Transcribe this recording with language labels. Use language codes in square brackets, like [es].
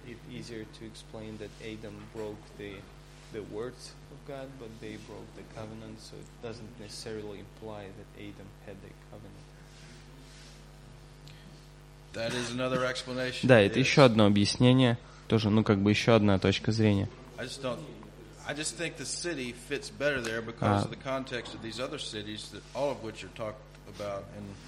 [en] Easier to explain that Adam broke the words of God, but they broke the covenant, so it doesn't necessarily imply that Adam had the covenant. That is another explanation. [ru] Да, это еще одно объяснение, тоже, еще одна точка зрения. [en] I just think the city fits better there because of the context of these other cities, that all of which are talked about in.